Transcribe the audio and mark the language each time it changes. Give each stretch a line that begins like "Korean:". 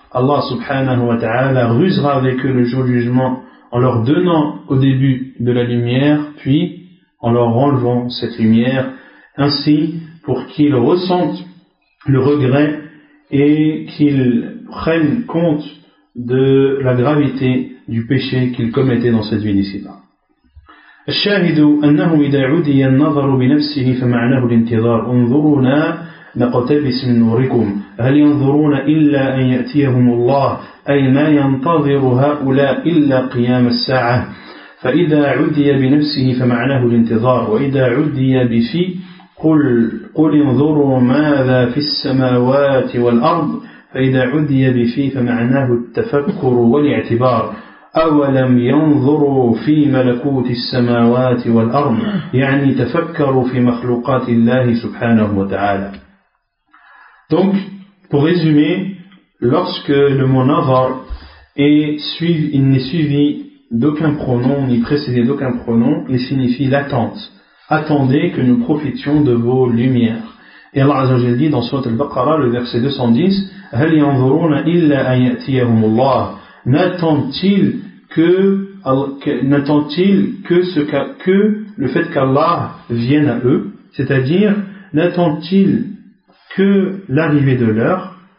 French: Allah
Arabic: subhanahu wa ta'ala
French: rusera avec eux le jour du jugement en leur donnant au début de la lumière, puis en leur enlevant cette lumière, ainsi pour qu'ils ressentent le regret et qu'ils prennent compte de la gravité du péché qu'ils commettaient dans cette vie d'ici-bas.
Arabic: الشاهد أنه إذا عدي النظر بنفسه فمعناه الانتظار انظرونا نقتبس من نوركم هل ينظرون إلا أن يأتيهم الله أي ما ينتظر هؤلاء إلا قيام الساعة فإذا عدي بنفسه فمعناه الانتظار وإذا عدي بفي قل انظروا ماذا في السماوات والأرض فإذا عدي بفي فمعناه التفكر والاعتبار أولم ينظروا في ملكوت السماوات والأرض يعني تفكروا في مخلوقات الله سبحانه وتعالى.
French: Donc, pour résumer, lorsque le mot nazar n'est suivi d'aucun pronom ni précédé d'aucun pronom, il signifie l'attente. Attendez que nous profitions de vos lumières. Et Allah
Arabic: Azza wa Jalla
French: dit dans Sourate Al-Baqarah, le verset 210,
Arabic: هل ينظرون إلا أن يأتيهم الله
French: N'attend-il que le fait qu'Allah vienne à eux, c'est-à-dire n'attend-il que l'arrivée de l'heure?